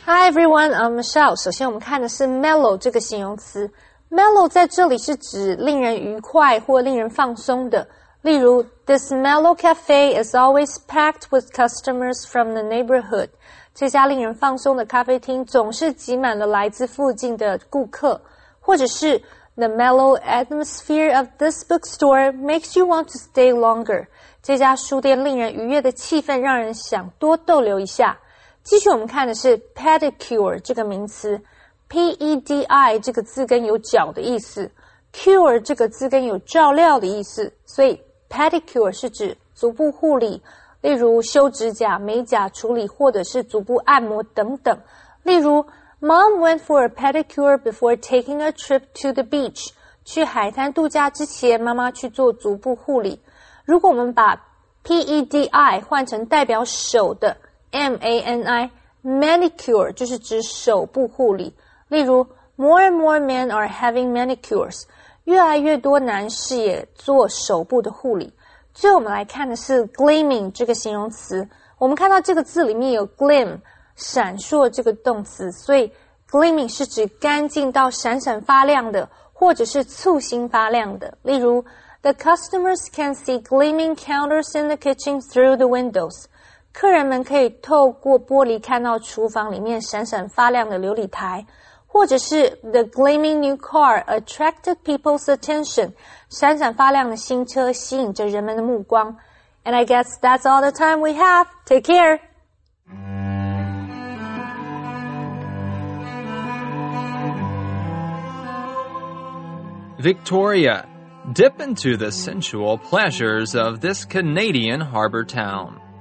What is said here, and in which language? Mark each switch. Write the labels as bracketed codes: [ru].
[en] everyone, I'm Michelle. [zh] 首先我们看的是 mellow 这个形容词。 Mellow 在这里是指令人愉快或令人放松的。例如 [en] ,this mellow cafe is always packed with customers from the neighborhood. [zh] 这家令人放松的咖啡厅总是挤满了来自附近的顾客。或者是 [en] ,the mellow atmosphere of this bookstore makes you want to stay longer. [zh] 这家书店令人愉悦的气氛让人想多逗留一下。继续我们看的是 pedicure 这个名词。PEDI 这个字根有脚的意思。 Cure 这个字根有照料的意思，所以 pedicure 是指足部护理，例如修指甲、美甲处理或者是足部按摩等等。例如 [en] ,Mom went for a pedicure before taking a trip to the beach. [zh] 去海滩度假之前，妈妈去做足部护理。如果我们把 PEDI 换成代表手的 MANI,manicure 就是指手部护理。例如 [en] ,more and more men are having manicures. [zh] 越来越多男士也做手部的护理。最后我们来看的是 gleaming 这个形容词。我们看到这个字里面有 gleam, 闪烁这个动词，所以 gleaming 是指干净到闪闪发亮的，或者是簇新发亮的。例如 [en] ,the customers can see gleaming counters in the kitchen through the windows. [zh] 客人们可以透过玻璃看到厨房里面闪闪发亮的琉璃台。或者是 [en] The gleaming new car attracted people's attention. [zh] 闪闪发亮的新车吸引着人们的目光。 [en] And I guess that's all the time we have. Take care. Victoria, dip into the sensual pleasures of this Canadian harbor town.